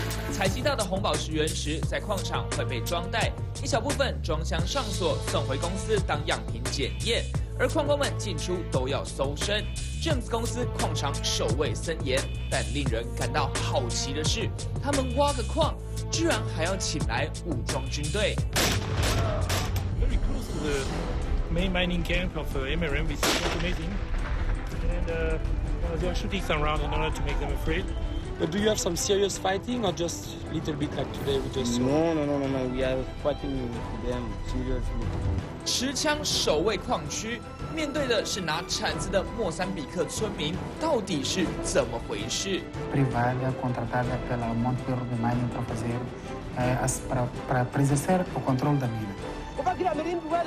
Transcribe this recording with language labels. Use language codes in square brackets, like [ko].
[zh] 采集到的红宝石原石在矿场会被装袋，一小部分装箱上锁，送回公司当样品检验。而矿工们进出都要搜身。James 公司矿场守卫森严，但令人感到好奇的是，他们挖个矿，居然还要请来武装军队。 [en] Very close to the main mining camp of MRM, we see them meeting, and they are shooting some rounds in order to make them afraid. But do you have some serious fighting or just a little bit like today with us? No, we are fighting with them seriously. [zh] 持枪守卫矿区，面对的是拿铲子的莫桑比克村民，到底是怎么回事？ [pt] Privada contratada pela Montenegro de Mining para fazer as para preservar o controle da mina.